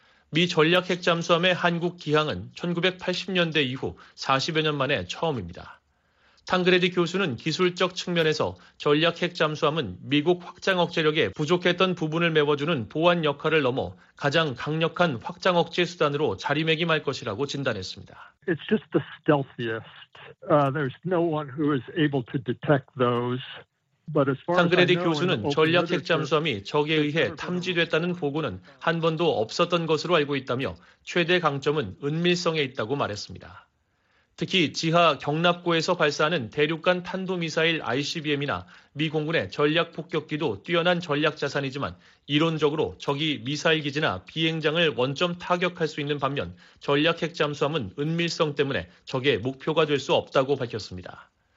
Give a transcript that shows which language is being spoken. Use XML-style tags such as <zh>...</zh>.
<ko>미 전략 핵 잠수함의 한국 기항은 1980년대 이후 40여 년 만에 처음입니다. 탕그레디 교수는 기술적 측면에서 전략 핵 잠수함은 미국 확장 억제력에 부족했던 부분을 메워주는 보완 역할을 넘어 가장 강력한 확장 억제 수단으로 자리매김할 것이라고 진단했습니다.</ko> <en>It's just the stealthiest. There's no one who is able to detect those.</en> <ko>탕그레디 교수는 전략 핵 잠수함이 적에 의해 탐지됐다는 보고는 한 번도 없었던 것으로 알고 있다며 최대 강점은 은밀성에 있다고 말했습니다. 특히 지하 격납고에서 발사하는 대륙간 탄도미사일 ICBM이나 미 공군의 전략 폭격기도 뛰어난 전략 자산이지만 이론적으로 적이 미사일 기지나 비행장을 원점 타격할 수 있는 반면 전략 핵 잠수함은 은밀성 때문에 적의 목표가 될 수 없다고 밝혔습니다.</ko>